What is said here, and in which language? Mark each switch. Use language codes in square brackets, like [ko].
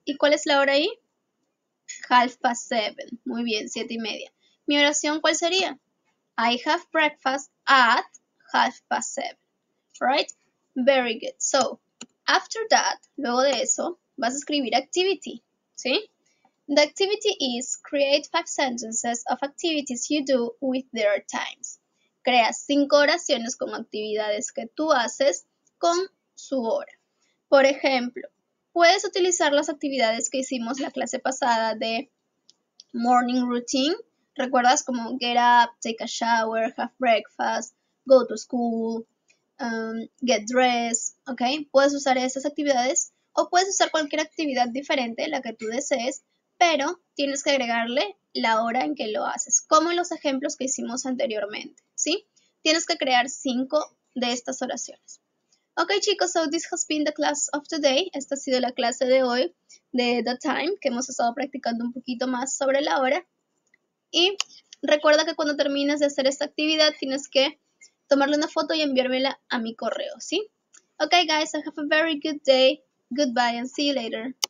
[es] ¿Y cuál es la hora ahí? 7:30. Muy bien, 7:30. Mi oración, ¿cuál sería? [en] I have breakfast at 7:30. Right? Very good. So, after that, [es] luego de eso, vas a escribir activity, ¿sí? [en] The activity is create 5 sentences of activities you do with their times. [es] Crea 5 oraciones con actividades que tú haces con su hora. Por ejemplo, puedes utilizar las actividades que hicimos la clase pasada de morning routine. ¿Recuerdas como [en] get up, take a shower, have breakfast, go to school? Get dressed, [es] ¿ok? Puedes usar esas actividades o puedes usar cualquier actividad diferente, la que tú desees, pero tienes que agregarle la hora en que lo haces, como en los ejemplos que hicimos anteriormente, ¿sí? Tienes que crear 5 de estas oraciones. [en] Ok, chicos, so this has been the class of today. [es] Esta ha sido la clase de hoy de The Time, que hemos estado practicando un poquito más sobre la hora. Y recuerda que cuando termines de hacer esta actividad, tienes que tomarle una foto y enviármela a mi correo, ¿sí? [en] Okay, guys, I have a very good day. Goodbye and see you later.